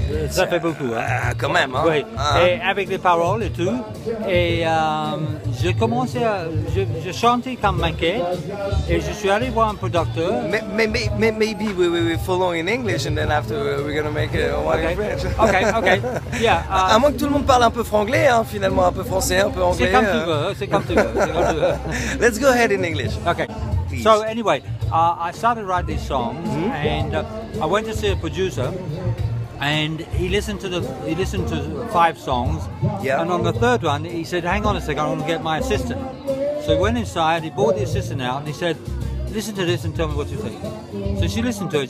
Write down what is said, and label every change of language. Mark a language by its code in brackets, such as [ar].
[fr] Ça fait beaucoup, hein? Quand même, hein? Oui. Et avec les paroles et tout. Et j'ai commencé à... Je chantais comme maquette. Et je suis allé voir un producteur. [en] Maybe we follow in English and then after we're going to make one in French. Okay. Yeah. [fr] À moins que tout le monde parle un peu franglais, hein, finalement, un peu français, un peu anglais. C'est comme tu veux. [en] Let's go ahead in English. Okay. Please. So anyway, I started writing these songs, mm-hmm. and I went to see a producer, and he listened to 5 songs, and on the third one he said, "Hang on a second, I want to get my assistant." So he went inside, he brought the assistant out, and he said, "Listen to this and tell me what you think." So she listened to it.